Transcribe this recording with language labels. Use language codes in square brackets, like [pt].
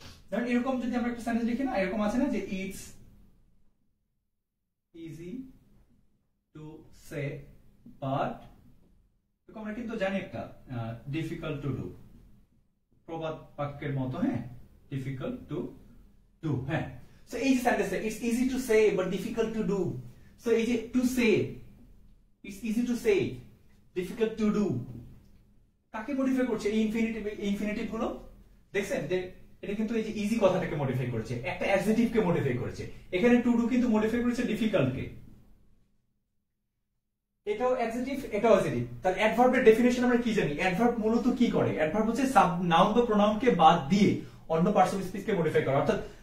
[bn] ধরেন এরকম যদি আমরা একটা সেন্টেন্স লিখি না এরকম আছে না যে [en] It's easy to say but এরকম আমরা কিন্তু জানি একটা ডিফিকাল্ট টু ডু প্রবাদ বাক্যের মতো হ্যাঁ ডিফিকাল্ট টু ডু হ্যাঁ সো এই যে sentence it's easy to say but difficult to do So is it to say? It's easy to say, difficult to do. [bn] কাকে মডিফাই করছে ইনফিনিটিভ হলো দেখছেন যে এটা কিন্তু এই যে ইজি কথাটাকে মডিফাই করেছে একটা অ্যাডজেটিভ কে মডিফাই করেছে এখানে টু ডু কিন্তু মডিফাই করেছে ডিফিকাল্ট কে এটাও অ্যাডজেটিভ এটাও অ্যাডজেটিভ তাহলে অ্যাডভার্বের ডেফিনিশন আমরা কি জানি অ্যাডভার্ব মূলত কি করে অ্যাডভার্ব হচ্ছে সাব নাউন বা প্রোনাউন কে বাদ দিয়ে অন্য parts of speech K modify করা অর্থাৎ